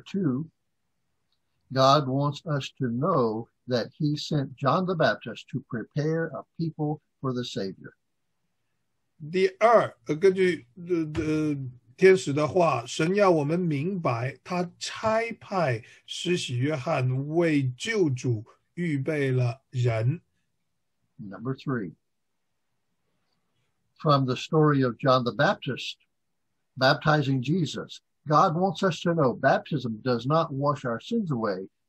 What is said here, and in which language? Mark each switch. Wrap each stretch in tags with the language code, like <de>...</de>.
<en>two, God wants us to know that he sent John the Baptist to prepare a people for the Savior.</en> <zh>第二，根据天使的话，神要我们明白，他差派施洗约翰为救主预备了人。</zh> <en>Number three, from the story of John the Baptist baptizing Jesus, God wants us to know baptism does not wash our sins away.</en>